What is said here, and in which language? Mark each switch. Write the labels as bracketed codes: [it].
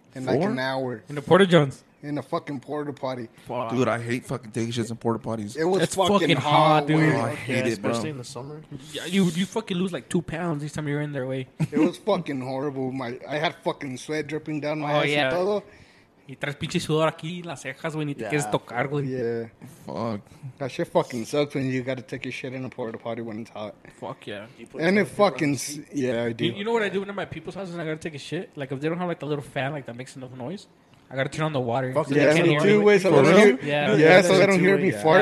[en] Like an hour. In the Porta Johns. In a fucking porta potty. Fuck. Dude, I hate fucking taking shits in porta potties. It's fucking hot, dude. Oh, I hate it, bro. Especially in the summer. Yeah, you fucking lose like 2 pounds each time you're in their way. It was fucking horrible. I had fucking sweat dripping down my ass and [es] todo. Y tres pinches sudor aquí en las cejas, güey, ni te quieres tocar, güey. [en] Yeah. Fuck. That shit fucking sucks when you gotta take your shit in a porta potty when it's hot. Fuck yeah. And it fucking... Yeah, I do. You know what I do when I'm at people's houses and I gotta take a shit? Like, if they don't have like the little fan like that makes enough noise, I gotta turn on the water. So they don't hear me fart.